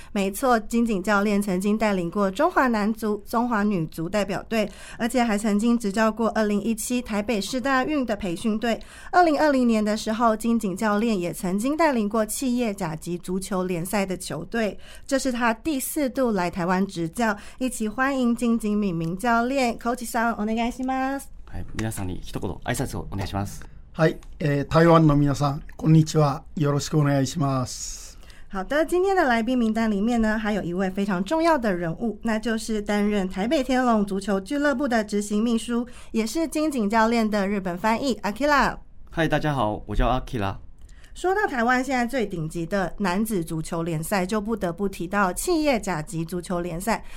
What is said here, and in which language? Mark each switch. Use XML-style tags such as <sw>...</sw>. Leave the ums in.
<zh>没错，金井教练曾经带领过中华男足、中华女足代表队，而且还曾经执教过二零一七台北市大运的培训队。二零二零年的时候，金井教练也曾经带领过企业甲级足球联赛的球队，这是他第四度。来台湾执教，一起欢迎金井敏明教练。</zh> <ja>k o c h i s n お願いします。</ja> <zh>是的，</zh> <ja>皆さんに一言挨拶をお願いします。はいえ、台湾の皆さん、こんにちは、よろしくお願いします。</ja> <zh>好的，今天的来宾名单里面呢，还有一位非常重要的人物，那就是担任台北天龙足球俱乐部的执行秘书，也是金井教练的日本翻译 a k i a 嗨，大家好，我叫 a k i a 说到台湾现在最顶级的男子足球联赛，就不得不提到企业甲级足球联赛。</zh>